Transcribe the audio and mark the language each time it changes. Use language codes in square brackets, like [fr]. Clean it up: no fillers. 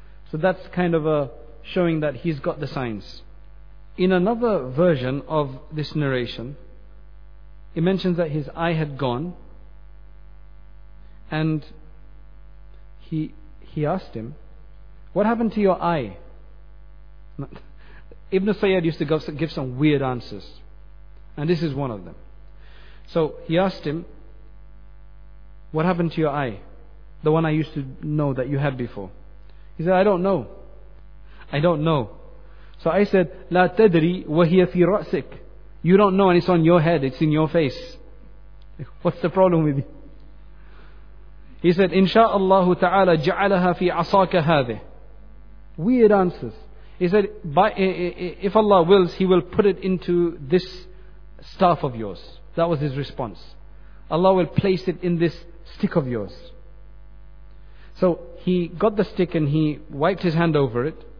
[en] So that's kind of showing that he's got the signs. In another version of this narration, he mentions that his eye had gone, and he asked him, what happened to your eye? Ibn Sayyad used to give some weird answers, and this is one of them. So he asked him, what happened to your eye? The one I used to know that you had before. He said, I don't know. So I said, [ar] لا تدري وهي في رأسك. [en] You don't know, and it's on your head, it's in your face. What's the problem with you? He said, [ar] إن شاء الله تعالى جعلها في عصاك هذه. [en] Weird answers. He said, if Allah wills, He will put it into this staff of yours. That was his response. Allah will place it in this stick of yours. So he got the stick and he wiped his hand over it.